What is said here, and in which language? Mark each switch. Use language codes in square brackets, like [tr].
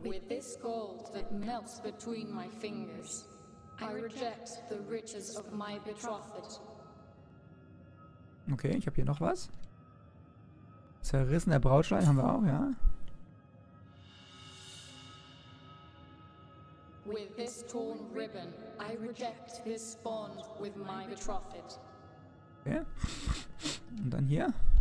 [en] With this gold that melts between my fingers, I reject the riches of my betrothed. [de] Okay, ich habe hier noch was. Zerrissener Brautschleier haben wir auch, ja. [en] With this torn ribbon, I reject this bond with my betrothed. Okay. [de] Und dann hier.